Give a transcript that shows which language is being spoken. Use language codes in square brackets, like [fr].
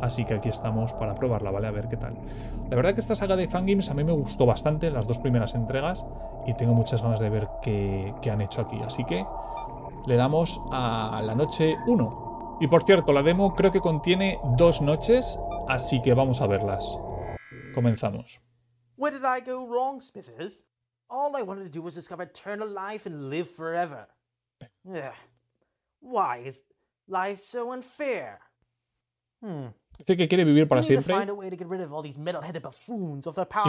[es] Así que aquí estamos para probarla, ¿vale? A ver qué tal. La verdad que esta saga de fangames a mí me gustó bastante las dos primeras entregas y tengo muchas ganas de ver qué han hecho aquí. Así que le damos a la noche 1. Y por cierto, la demo creo que contiene dos noches, así que vamos a verlas. Comenzamos. [en] Where did I go wrong, Smithers? All I wanted to do was discover eternal life and live forever. Why is life so unfair? [es] Dice que quiere vivir para siempre. [en] Find a way to get rid of all these metal-headed buffoons of the power.